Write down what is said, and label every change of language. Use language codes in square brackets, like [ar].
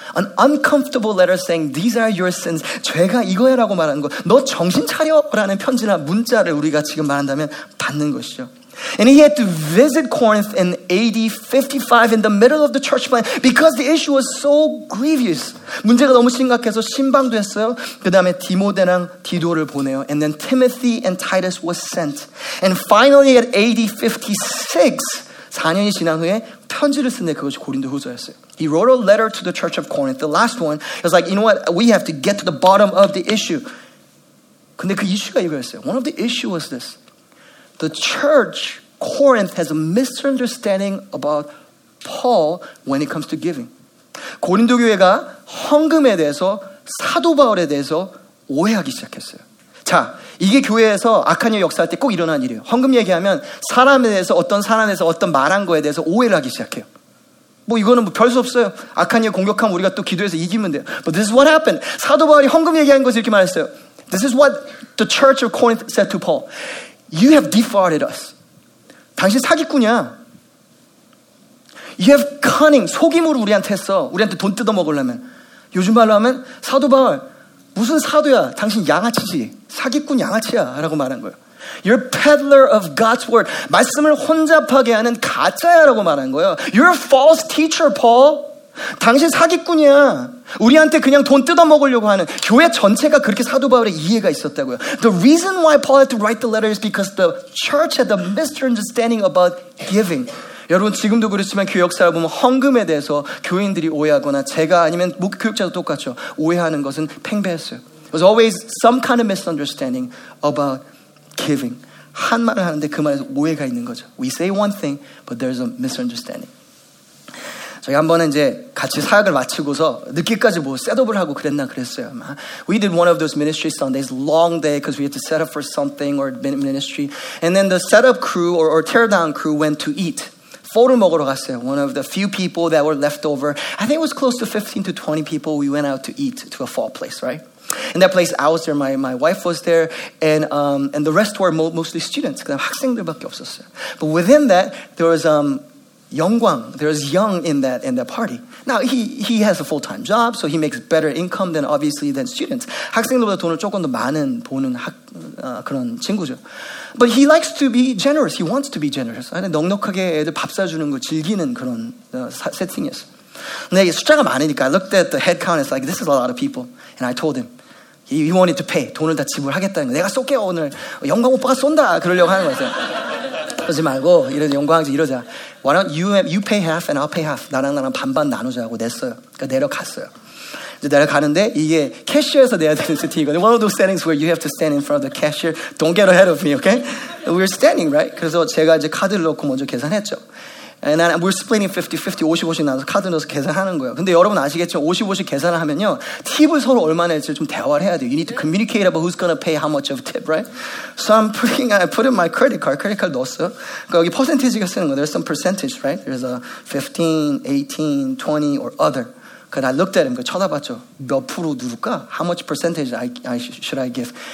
[en] An uncomfortable letter saying these are your sins. [ko] 죄가 이거야라고 말하는 거. 너 정신 차려라는 편지나 문자를 우리가 지금 말한다면 받는 것이죠. [en] And he had to visit Corinth in AD 55 in the middle of the church plan because the issue was so grievous. [ko] 문제가 너무 심각해서 신방도 했어요. 그 다음에 디모데랑 디도를 보내요. [en] And then Timothy and Titus was sent. And finally at AD 56, [ko] 4년이 지난 후에 편지를 쓴데 그것이 고린도 후서였어요. [en] He wrote a letter to the church of Corinth, the last one. He was like, you know what, we have to get to the bottom of the issue. [ko] 근데 그 이슈가 이거였어요. [en] One of the issues was this. The church, Corinth, has a misunderstanding about Paul when it comes to giving. [ko] 고린도 교회가 헌금에 대해서 사도 바울에 대해서 오해하기 시작했어요. 자, 이게 교회에서 악한 일 역사할 때 꼭 일어난 일이에요. 헌금 얘기하면 사람에 대해서 어떤 사람에서 어떤 말한 거에 대해서 오해를 하기 시작해요. 뭐 이거는 뭐 별 수 없어요. 악한 일 공격하면 우리가 또 기도해서 이기면 돼요. [en] But this is what happened. [ko] 사도 바울이 헌금 얘기한 것을 이렇게 말했어요. [en] This is what the church of Corinth said to Paul. You have defrauded us. [ko] 당신 사기꾼이야. [en] You have cunning. [ko] 속임으로 우리한테 했어. 우리한테 돈 뜯어먹으려면. 요즘 말로 하면 사도바울 무슨 사도야. 당신 양아치지. 사기꾼 양아치야. 라고 말한 거예요. [en] You're a peddler of God's word. [ko] 말씀을 혼잡하게 하는 가짜야. 라고 말한 거예요. [en] You're a false teacher, Paul. [ko] 당신 사기꾼이야. 우리한테 그냥 돈 뜯어먹으려고 하는 교회 전체가 그렇게 사도 바울의 이해가 있었다고요. [en] The reason why Paul had to write the letter is because the church had a misunderstanding about giving. [ko] 여러분 지금도 그렇지만 교회 역사를 보면 헌금에 대해서 교인들이 오해하거나 제가 아니면 교육자도 똑같죠. 오해하는 것은 팽배했어요. [en] There was always some kind of misunderstanding about giving. [ko] 한 말을 하는데 그 말에서 오해가 있는 거죠. [en] We say one thing, but there's a misunderstanding. [ko] 저희 한 번은 이제 같이 사역을 마치고서 늦게까지 뭐 셋업을 하고 그랬나 그랬어요. [en] We did one of those ministry Sundays, long day, because we had to set up for something or ministry. And then the setup crew or teardown crew went to eat. [ko] 포를 먹으러 갔어요. [en] One of the few people that were left over. I think it was close to 15 to 20 people. We went out to eat to a fall place, right? In that place, I was there, my wife was there, and the rest were mostly students. [ko] 그다음 학생들밖에 없었어요. [en] But within that, there was... Yongguang, there's Young in that party. Now he has a full-time job, so he makes better income than obviously than students. [ko] 학생들보다 돈을 조금 더 많은 보는 그런 친구죠. [en] But he likes to be generous. He wants to be generous. [ko] 넉넉하게 애들 밥 사주는 거 즐기는 그런 세팅이었어. 근데 이게 숫자가 많으니까 [en] I looked at the head count. It's like this is a lot of people, and I told him. He wanted to pay. [ko] 돈을 다 지불하겠다는 거. 내가 쏠게 오늘. 영광 오빠가 쏜다. 그러려고 하는 거죠. 그러지 말고 이런 영광이지 이러자. [en] Why don't you pay half and I'll pay half. [ko] 나랑 반반 나누자고 냈어요. 그러니까 내려갔어요. 이제 내려가는데 이게 캐셔에서 내야 되는 세팅이거든요. [en] One of those settings where you have to stand in front of the cashier. Don't get ahead of me, okay? We're standing, right? [ko] 그래서 제가 이제 카드를 넣고 먼저 계산했죠. [en] And then we're splitting 50-50, [ko] 50-50 나눠서 카드 넣어서 계산하는 거예요. 근데 여러분 아시겠지만 50-50 계산을 하면요. 팁을 서로 얼마나 낼지 좀 대화를 해야 돼요. [en] You need to communicate about who's gonna pay how much of tip, right? So I put in my credit card. Credit card [ko] 넣었어요. 그러니까 여기 퍼센티지가 쓰는 거예요. [en] There's some percentage, right? There's a 15, 18, 20 or other. 그 I looked at him. [ko] 그 쳐다봤죠. 몇 프로 누를까? [en] How much percentage should I give?